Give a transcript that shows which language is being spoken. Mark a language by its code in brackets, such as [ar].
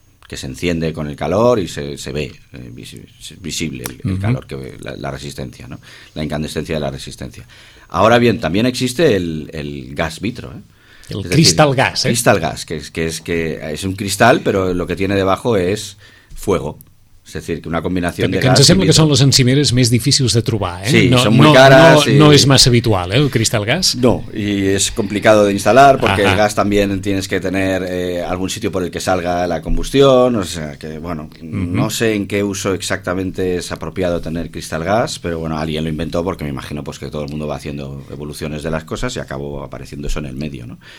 [es] Que se enciende con el calor y se ve visible el uh-huh. calor, que la resistencia, ¿no? La incandescencia de la resistencia. Ahora bien, también existe el gas vitro, ¿eh? El es cristal decir, gas, ¿eh? Cristal gas, que es un cristal, pero lo que tiene debajo es fuego. Es decir, que una combinación que de gas... [ca] Que ens sembla que són les encimeres més difícils de trobar, ¿eh? Sí, són molt cares. No és massa habitual, ¿eh? El cristal gas. [es] No, y es complicado de instalar porque el gas también tienes que tener algún sitio por el que salga la combustión, o sea, que, bueno, no sé en qué uso exactamente es apropiado tener cristal gas, pero bueno, alguien lo inventó porque me imagino pues que todo el mundo va haciendo evoluciones de las cosas y acabó apareciendo eso en el medio, ¿no?